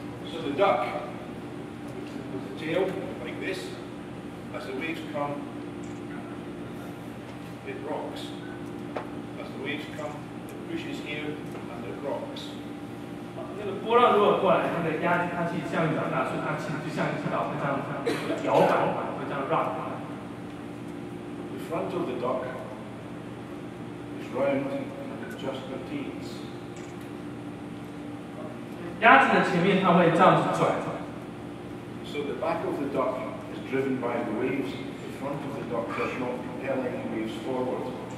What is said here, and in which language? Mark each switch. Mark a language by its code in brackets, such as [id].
[en] So the duck with the tail like this, as the waves come, it rocks. As the waves come, it pushes here and it rocks. [zh] 那个波浪如果过来，那个鸭子它其实向上大，所以它其实就像一条会这样摇摆，会这样 rock。 [en] The front of the dock is round and it just repeats. [zh] 鸭子的前面它会这样子转。 [en] So the back of the dock is driven by the waves. The front of the dock does not propel any waves forward.